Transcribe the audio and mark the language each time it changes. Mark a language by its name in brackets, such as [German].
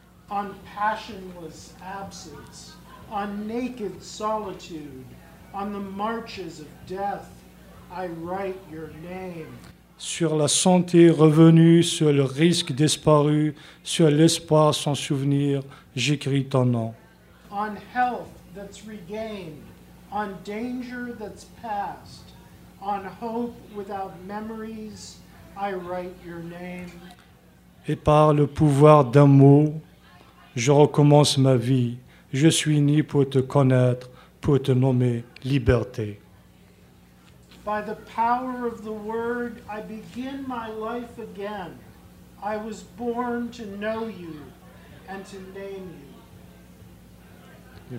[English] On passionless absence, on naked solitude, on the marches of death, I write your name. [French] Sur la santé revenue, sur le risque disparu, sur l'espoir sans souvenir, j'écris ton nom. [English] On health that's regained, on danger that's past, on hope without memories, I write your name. [French] Et par le pouvoir d'un mot, je recommence ma vie. Je suis né pour te connaître, pour te nommer liberté. [English] By the power of the word, I begin my life again. I was born to know you and to name you.